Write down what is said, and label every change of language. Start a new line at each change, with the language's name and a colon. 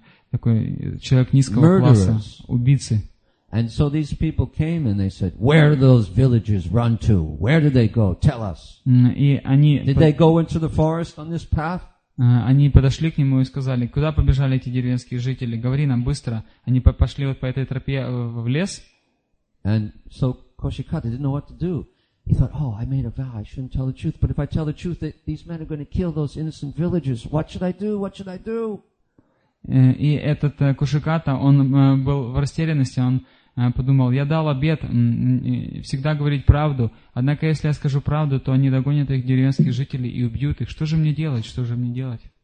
Russian: Такой человек низкого класса, убийцы.
English: And so these people came and they said, where do those villagers run to? Where do they go? Tell us. Did they go into the forest on this path?
Russian: Они подошли к нему и сказали, куда побежали эти деревенские жители? Говори нам быстро. Они пошли вот по этой тропе в лес.
English: And so Кошиката didn't know what to do. He thought, oh, I made a vow. I shouldn't tell the truth. But if I tell the truth, these men are going to kill those innocent villagers. What should I do? What should I do?
Russian: И этот Кушиката, он был в растерянности, он подумал, я дал обет всегда говорить правду, однако если я скажу правду, то они догонят их деревенских жителей и убьют их. Что же мне делать? Что же мне делать?